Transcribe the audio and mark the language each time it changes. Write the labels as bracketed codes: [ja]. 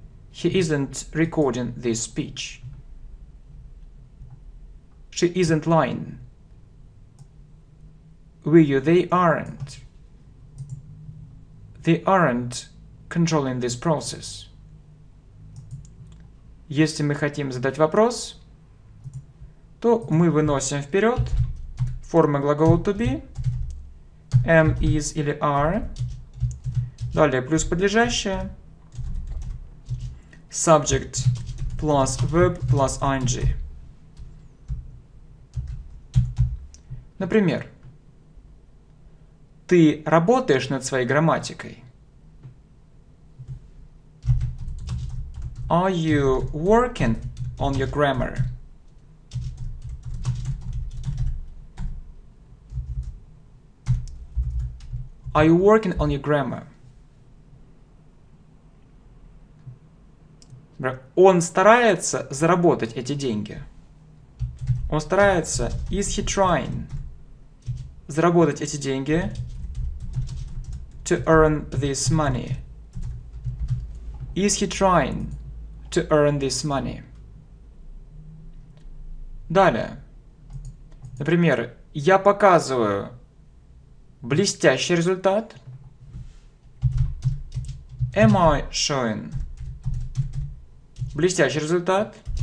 [en] He isn't recording this speech. She isn't lying. We, you, they aren't. They aren't controlling this process. [ru] Если мы хотим задать вопрос, то мы выносим вперед формы глагола to be. [en] Am, is [ru] или [en] are. [ru] Далее плюс подлежащее. [en] Subject plus verb plus ing. [ru] Например, ты работаешь над своей грамматикой? [en] Are you working on your grammar? Are you working on your grammar? [ru] Он старается заработать эти деньги. Он старается. [en] Is he trying [ru] заработать эти деньги? [en] To earn this money. Is he trying to earn this money? [ru] Далее. Например, я показываю блестящий результат. [en] Am I showing [ru] блестящий результат?